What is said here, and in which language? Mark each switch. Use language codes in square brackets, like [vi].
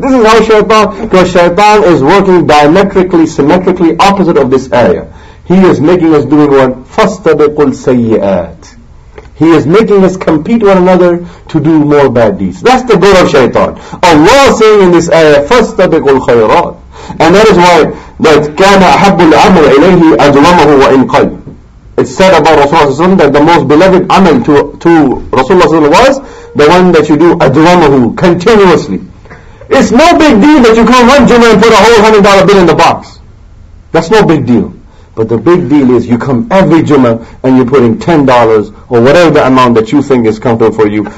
[en] This is how Shaitan, because Shaitan is working diametrically, symmetrically opposite of this area. He is making us doing what? [ar] فَاسْتَبِقُوا الْسَيِّئَاتِ. [en] He is making us compete one another to do more bad deeds. That's the goal of Shaitan. Allah is saying in this area, [ar] فَاسْتَبِقُوا الْخَيْرَاتِ. [en] And that is why, that [ar] كَانَ أَحَبُّ الْعَمْرِ إِلَيْهِ أَجْوَمَهُ وَإِنْ قَلْ. [en] It's said about Rasulullah that the most beloved amal to Rasulullah was the one that you do adwamahu continuously. It's no big deal that you come one Jummah and put a whole $100 bill in the box. That's no big deal. But the big deal is you come every Jummah and you're putting $10 or whatever the amount that you think is comfortable for you.